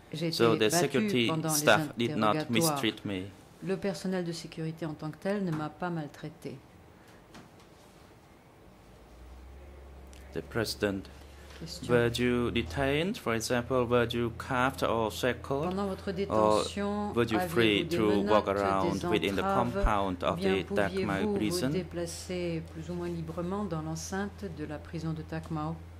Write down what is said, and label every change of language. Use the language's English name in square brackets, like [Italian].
[English] So the security staff did not mistreat me. [French] Le personnel de sécurité en tant que tel ne m'a pas maltraité. [English] The president. Were you detained, for example, were you cuffed or shackled? [French] Pendant votre détention, [English] or were you free to walk around within the compound of the Takmao prison? [French] Vous déplacer plus ou moins librement dans l'enceinte de la prison de Takmao?